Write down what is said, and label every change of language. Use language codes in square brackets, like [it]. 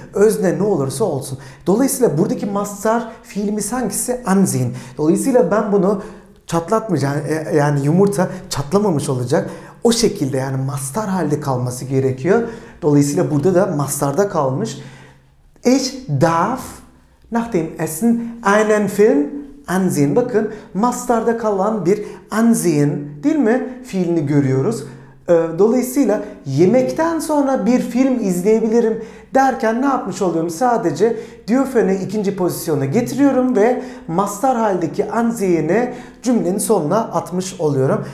[tr] Özne ne olursa olsun. Dolayısıyla buradaki mastar fiilimi hangisi? Anziehen. Dolayısıyla ben bunu çatlatmayacağım, yani yumurta çatlamamış olacak. O şekilde, yani mastar halde kalması gerekiyor. Dolayısıyla burada da mastarda kalmış. [de] Ich darf nach dem Essen einen Film ansehen. [tr] Bakın, mastarda kalan bir ansehen, değil mi, fiilini görüyoruz. Dolayısıyla yemekten sonra bir film izleyebilirim derken ne yapmış oluyorum? Sadece Diyofen'i ikinci pozisyona getiriyorum ve mastar haldeki ansehen'i cümlenin sonuna atmış oluyorum.